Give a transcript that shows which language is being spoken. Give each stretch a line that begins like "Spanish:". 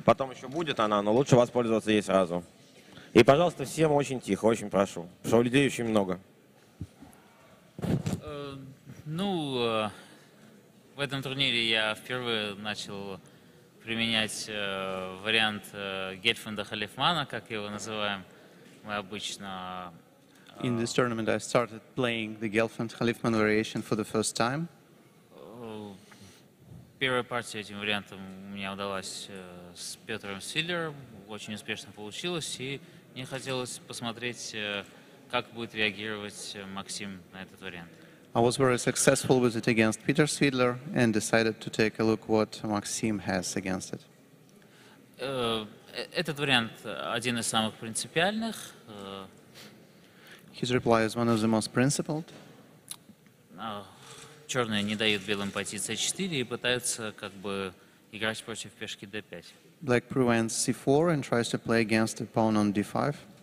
Russian: Потом еще будет она, но лучше воспользоваться ей сразу. И, пожалуйста, всем очень тихо, очень прошу. Потому что людей очень много. В этом турнире я впервые начал применять вариант Гельфанда-Халифмана, как его называем мы обычно.
English: In this tournament I started playing the Gelfand-Halifman variation for the first time.
Russian: Первая партия этим вариантом у меня удалась с Петром Силлером, очень успешно получилось, и мне хотелось посмотреть, как будет реагировать Максим на этот вариант.
English: I was very successful with it against Peter Swidler and decided to take a look what Maxim has against it.
Russian: Этот вариант один из самых принципиальных.
English: His reply is one of the most principled.
Russian: Черные не дают белым пойти c4 и пытаются как бы играть против пешки d5.
English: Black prevents c4 and tries to play against the pawn on d5.